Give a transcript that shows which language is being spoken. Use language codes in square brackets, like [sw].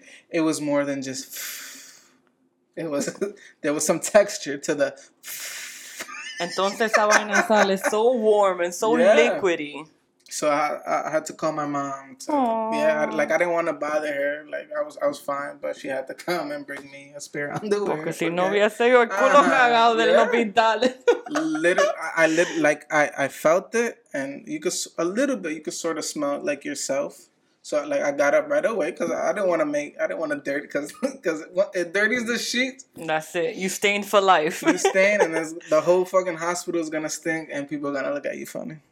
[en] It was more than just... There was some texture to the. [es] Entonces esa vaina sale [en] so warm and so liquidy. So I had to call my mom. I didn't want to bother her. Like I was fine, but she had to come and bring me a spare underwear. [es] Porque si no había sido el culo cagado del hospital. [en] I felt it, and you could a little bit. You could sort of smell it like yourself. So like I got up right away because I didn't want to dirty because it dirties the sheets. That's it. You stained for life. You stain, and the whole fucking hospital is gonna stink, and people are gonna look at you funny.